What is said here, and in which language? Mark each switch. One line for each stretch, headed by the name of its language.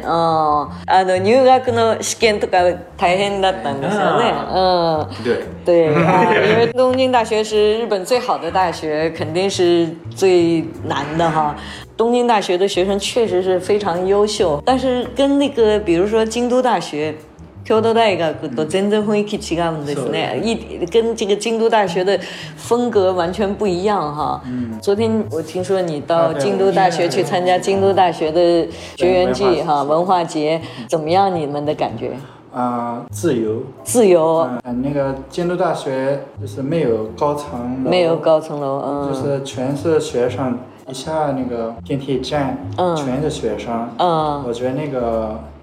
Japanese: 入学の試験とか大変だったんですよね。
Chinese: 对。对。因为东京大学是日本最好的大学，肯定是最难的哈。东京大学的学生确实是非常优秀，但是跟那个比如说京都大学
Japanese: 京都大学と全然雰囲気違うんですね、
Chinese: 跟这个京都大学的风格完全不一样哈。昨天我听说你到京都大学去参加京都大学的学员季哈，文化节，怎么样你们的感觉？自由，自由。那个京都大学就是没有高层楼，没有高层楼，就是全是学生，一下那个电梯站，全是学生，我觉得那个，